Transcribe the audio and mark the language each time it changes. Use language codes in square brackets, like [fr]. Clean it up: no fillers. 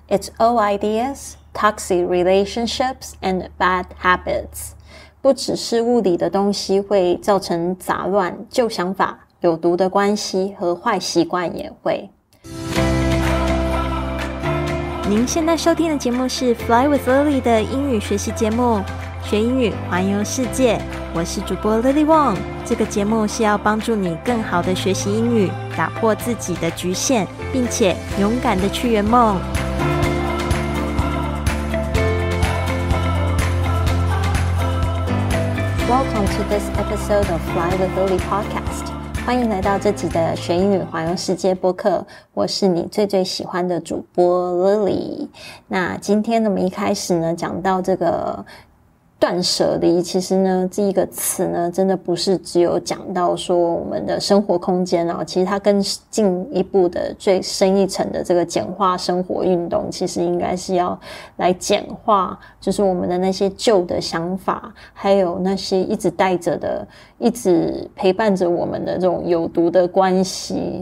[en] It's old ideas, toxic relationships, and bad habits. [zh] 不只是物理的东西会造成杂乱，旧想法、有毒的关系和坏习惯也会。您现在收听的节目是 Fly with Lily 的英语学习节目，学英语环游世界。我是主播 Lily Wong。这个节目是要帮助你更好的学习英语，打破自己的局限，并且勇敢的去圆梦。 [en] Welcome to this episode of Fly with Lily podcast. [zh] 欢迎来到这集的学英语环游世界播客，我是你最最喜欢的主播 Lily。那今天我们一开始呢，讲到这个断舍离，其实呢，这一个词呢，真的不是只有讲到说我们的生活空间哦，其实它更进一步的、最深一层的这个简化生活运动，其实应该是要来简化，就是我们的那些旧的想法，还有那些一直带着的、一直陪伴着我们的这种有毒的关系。